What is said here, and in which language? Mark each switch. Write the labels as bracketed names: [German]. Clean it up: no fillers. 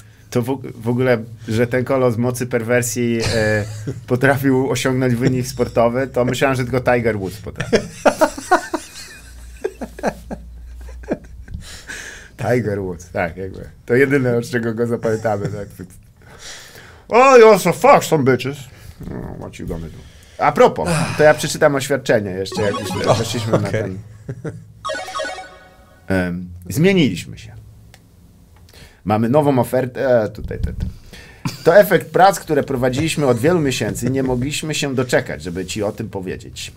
[Polish] To w ogóle, że ten kolos mocy perwersji potrafił osiągnąć wynik sportowy, to myślałem, że tylko Tiger Woods potrafi. Tiger Woods, tak jakby. To jedyne, od czego go zapamiętamy. Tak. [English] Oh, you're so fuck some bitches. No, what you gonna do? [Polish] A propos, to ja przeczytam oświadczenie jeszcze, jak już weszliśmy na ten... zmieniliśmy się. Mamy nową ofertę... Tutaj. To efekt prac, które prowadziliśmy od wielu miesięcy i nie mogliśmy się doczekać, żeby ci o tym powiedzieć.